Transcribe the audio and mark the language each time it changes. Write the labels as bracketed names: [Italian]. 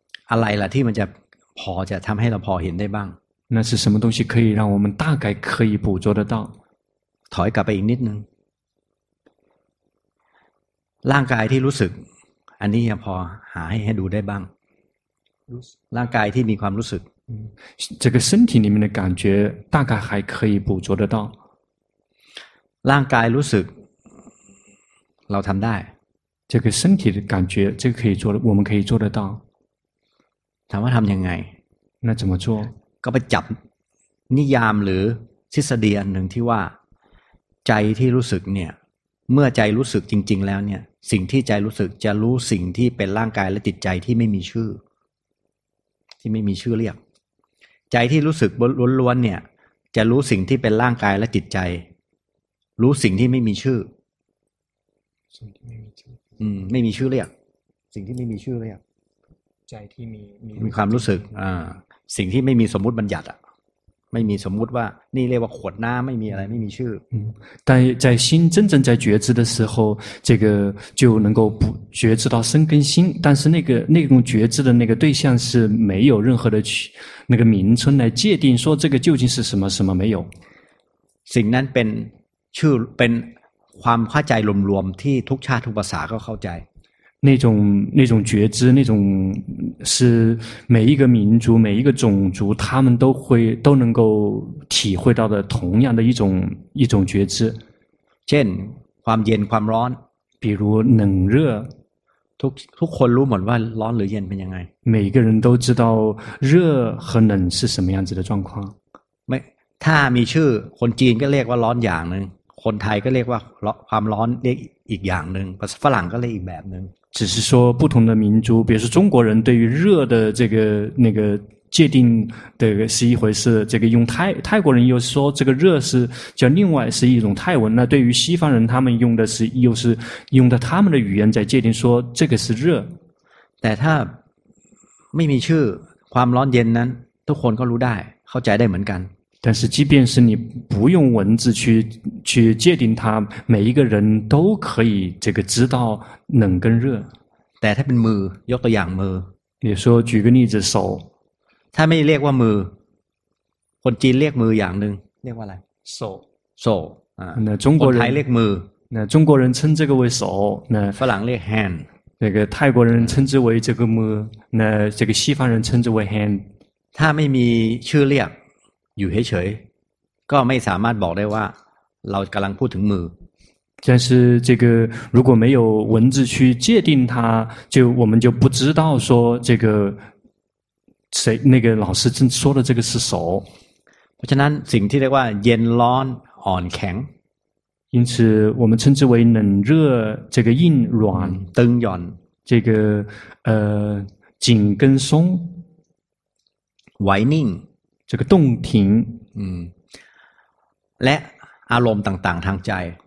[Thai] อะไรล่ะที่มันจะพอจะทำให้เราพอเห็นได้บ้าง [Chinese] 那是什么东西可以让我们大概可以捕捉得到 [Thai] ถอยกลับไปอีกนิดนึงร่างกายที่รู้สึกอันนี้ยังพอหาให้ดูได้บ้างร่างกายที่มีความรู้สึก [Chinese] 这个身体里面的感觉大概还可以捕捉得到 [Thai] ร่างกายรู้สึกเราทำได้ [Chinese] 这个身体的感觉这个可以做我们可以做得到 [Thai] ถามว่าทำยังไง [Chinese] 那怎么做 [Thai] ก็ไปจับนิยามหรือทฤษฎีอันหนึ่งที่ว่าใจที่รู้สึกเนี่ยเมื่อใจรู้สึกจริงๆแล้วเนี่ยสิ่งที่ใจรู้สึกจะรู้สิ่งที่เป็นร่างกายและจิตใจที่ไม่มีชื่อที่ไม่มีชื่อเรียกใจที่รู้สึกล้วนๆเนี่ยจะรู้สิ่งที่เป็นร่างกายและจิตใจรู้สิ่งที่ไม่มีชื่อ สิ่งที่ไม่มีชื่อไม่มีชื่อเรียกสิ่งที่ไม่มีชื่อเรียก ใจที่ มีความรู้สึกสิ่งที่ไม่มีสมมติบัญญัติไม่มีสมมุติว่านี่เรียกว่าขวดน้ำไม่มีอะไรไม่มีชื่อ [Chinese] 但在心真正在觉知的时候这个就能够不觉知到身跟心但是那种觉知的那个对象是没有任何的那个名称来界定说这个究竟是什么什么没有 [Thai] สิ่งนั้นเป็นชื่อเป็นความเข้าใจรวมๆที่ทุกชาติทุกภาษาก็เข้าใจ [Chinese] 那种觉知那种是每一个民族每一个种族他们都能够体会到的同样的一种觉知 [Thai] เช่นความเย็นความร้อน [Chinese] 比如冷热 [Thai] ทุกคนรู้หมดว่าร้อนหรือเย็นเป็นยังไง [Chinese] 每个人都知道热和冷是什么样子的状况 [Thai] ไม่ถ้ามีชื่อคนจีนก็เรียกว่าร้อนอย่างนึงคนไทยก็เรียกว่าความร้อนเรียกอีกอย่างนึงฝรั่งก็เรียกอีกแบบนึง [Chinese] 只是说不同的民族比如说中国人对于热的这个那个界定的是一回事这个用泰国人又说这个热是叫另外是一种泰文那对于西方人他们用的是又是用的他们的语言在界定说这个是热 [Thai] แต่ถ้าไม่มีชื่อความร้อนเย็นนั้นทุกคนก็รู้ได้เข้าใจได้เหมือนกัน [Chinese] แต่即便是你不用文字去界定它每一个人都可以这个知道冷跟热 [Thai] แต่ถ้าเป็นมือยกตัวอย่างมือ [Chinese] 比如说举个例子手 [Thai] ถ้าไม่เรียกว่ามือคนจีนเรียกมืออย่างนึง เรียกว่าอะไร [Chinese] 手手那中国人 [Thai] คนไทยเรียกมือ [Chinese] 那中国人称这个为手那 [Thai] ฝรั่งเรียก hand [Chinese] 那个泰国人称之为这个mือ那这个西方人称之为 hand [Thai] ถ้าไม่มีชื่อเรียกอยู่เฉยๆก็ไม่สามารถบอกได้ว่าเรากำลังพูดถึงมือ [Chinese] 但是这个如果没有文字去界定它就我们就不知道说这个谁那个老师正说的这个是手 [Thai] เพราะฉะนั้นสิ่งที่เรียกว่าเย็นร้อนอ่อนแข็ง [Chinese] 因此我们称之为冷热这个硬软 [Thai] ตึงหย่อน [Chinese] 这个紧跟松 [Thai] ไหวนิ่ง [Chinese] 这个动停 [Thai] และอารมณ์ต่างๆทางใจ